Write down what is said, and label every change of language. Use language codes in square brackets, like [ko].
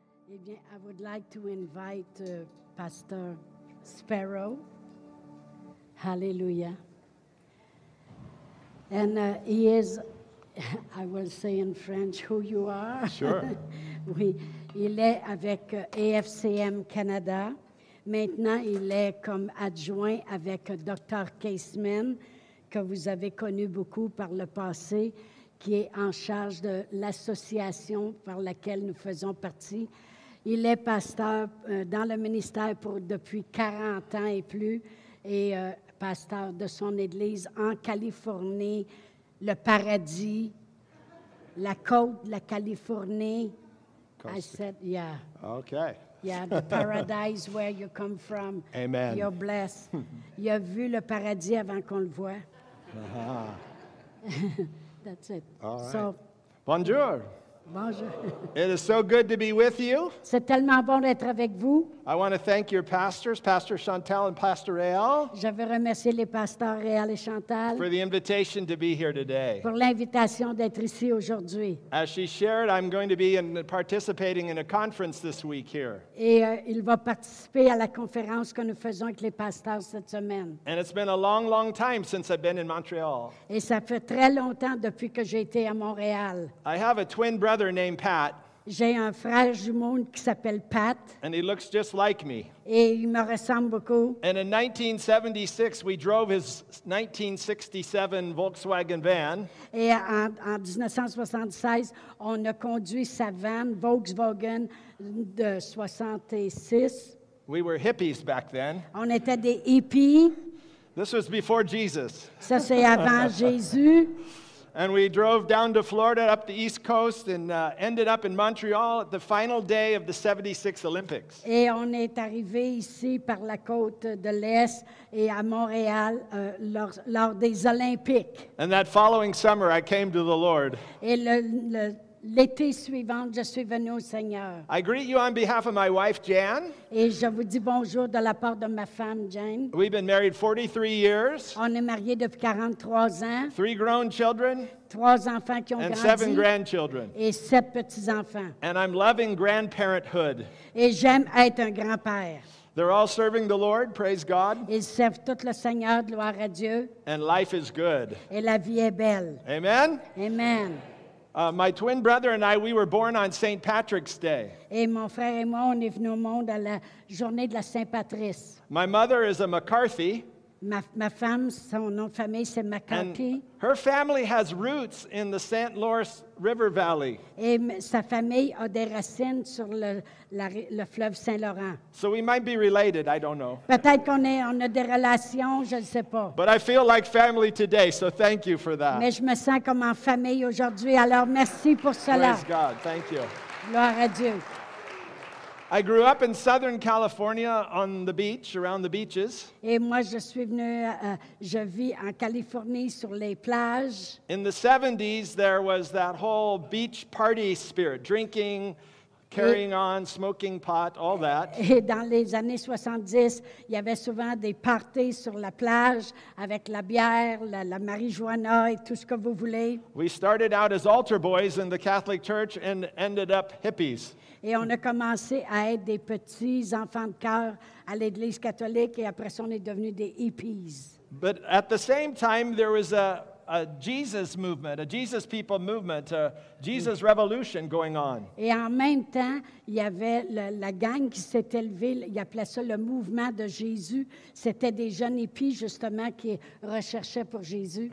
[fr] Eh bien, [en] I would like to invite Pastor Sparrow. Hallelujah. And he is, I will say in French, who you are. Sure. [fr] Oui, il est avec AFCM Canada. Maintenant, il est comme adjoint avec Dr. Caseman, que vous avez connu beaucoup par le passé, qui est en charge de l'association par laquelle nous faisons partie. Il est pasteur dans le ministère depuis 40 ans et plus, et pasteur de son église en Californie, le paradis, la côte de la Californie. [en] Coastal. I said, yeah. Okay. Yeah, the paradise where you come from. Amen. You're blessed. [fr] Il a vu le paradis avant qu'on le voit. Uh-huh. [en] That's it. All right. So, bonjour. [fr] Bonjour. [en] It is so good to be with you. [fr] C'est tellement bon d'être avec vous. [en] I want to thank your pastors, Pastor Chantal and Pastor Réal. [fr] Je veux remercier les pasteurs Réal et Chantal. [en] For the invitation to be here today. [fr] Pour l'invitation d'être ici aujourd'hui. [en] As she shared, I'm going to be participating in a conference this week here. [fr] Et il va participer à la conférence que nous faisons avec les pasteurs cette semaine. [en] And it's been a long, long time since I've been in Montreal. [fr] Et ça fait très longtemps depuis que j'ai été à Montréal. [en] I have a twin brother named Pat. [fr] J'ai un frère jumeau qui s'appelle Pat. [en] And he looks just like me. [fr] Et il me ressemble beaucoup. [en] And in 1976, we drove his 1967 Volkswagen van. [fr] Et en 1976, on a conduit sa van Volkswagen de 66. [en] We were hippies back then. [fr] On était des hippies. [en] This was before Jesus. [fr] Ça, c'est avant Jésus. [en] And we drove down to Florida, up the East Coast, and ended up in Montreal at the final day of the 76 Olympics. [fr] Et on est arrivé ici par la côte de l'Est et à Montréal lors des Olympiques. [en] And that following summer, I came to the Lord. [fr] Et l'été suivant, je suis venu au Seigneur. [en] I greet you on behalf of my wife, Jan. [fr] Et je vous dis bonjour de la part de ma femme, Jane. [en] We've been married 43 years. [fr] On est mariés depuis 43 ans. [en] Three grown children. [fr] Trois enfants qui ont [en] and [fr] grandi. [en] And seven grandchildren. [fr] Et sept petits-enfants. [en] And I'm loving grandparenthood. [fr] Et j'aime être un grand-père. [en] They're all serving the Lord, praise God. [fr] Ils servent tout le Seigneur, gloire à Dieu. [en] And life is good. [fr] Et la vie est belle. [en] Amen. Amen. My twin brother and I, we were born on St. Patrick's Day. [fr] Et mon frère et moi, on est venu au monde à la journée de la Saint-Patrice. [en] My mother is a McCarthy. [fr] Ma femme, son nom de famille, c'est McCarthy. [en] And her family has roots in the St. Lawrence River Valley. [fr] Et sa famille a des racines sur le fleuve Saint-Laurent. [en] So we might be related, I don't know. [fr] Peut-être qu'on a des relations, je ne sais pas. [en] But I feel like family today, so thank you for that. [fr] Mais je me sens comme en famille aujourd'hui, alors merci pour cela. [en] Praise God, thank you. [fr] Gloire à Dieu. [en] I grew up in Southern California on the beach, around the beaches. [fr] Et moi, je suis venu, je vis en Californie sur les plages. [en] In the 70s, there was that whole beach party spirit, drinking, carrying on, smoking pot, all that. [fr] Et dans les années 70, il y avait souvent des parties sur la plage avec la bière, la marijuana et tout ce que vous voulez. [en] We started out as altar boys in the Catholic Church and ended up hippies. [fr] Et on a commencé à être des petits enfants de cœur à l'Église catholique et après ça, on est devenus des hippies. [en] But at the same time, there was a Jesus movement, a Jesus people movement, a Jesus revolution going on. [fr] Et en même temps, il y avait la gang qui s'est élevée, il appelait ça le mouvement de Jésus. C'était des jeunes hippies, justement, qui recherchaient pour Jésus.